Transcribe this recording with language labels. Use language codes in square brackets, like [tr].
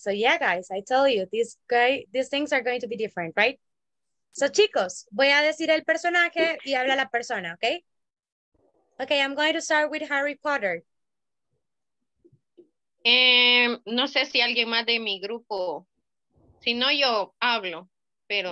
[en] So yeah, guys, I told you these things are going to be different, right? [es] So chicos, voy a decir el personaje y habla la persona, okay? [en] Okay, I'm going to start with Harry Potter. [es] No sé si alguien más de mi grupo, si no yo hablo, pero